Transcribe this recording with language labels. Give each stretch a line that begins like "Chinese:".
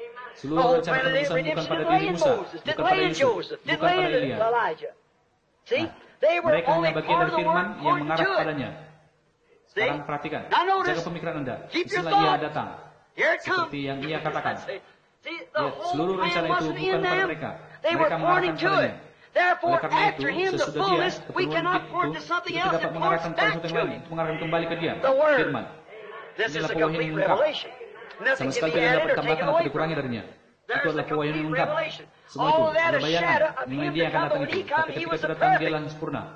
Indonesian: Seluruh rencana penebusan bukan pada diri Musa, bukan pada Yusuf, bukan pada Elia. Nah, mereka hanya bagian dari firman yang mengarah kepadanya. Sekarang perhatikan, jaga pemikiran Anda, setelah ia datang, seperti yang ia katakan. Lihat, seluruh rencana itu bukan pada mereka, mereka mengarahkan kepadanya.
English: Therefore, after him, the fullest, we cannot pour into something else.
Indonesian: Dapat mengarahkan ke sesuatu yang lain, mengarahkan kembali ke dia. Firman. Inilah pewahyuan yang lengkap. Sama sekali tidak dapat ditambahkan atau dikurangi darinya. Itu adalah pewahyuan yang lengkap. Semua itu ada bayangan mengenai dia akan datang itu. Tapi ketika dia datang, dia adalah sempurna.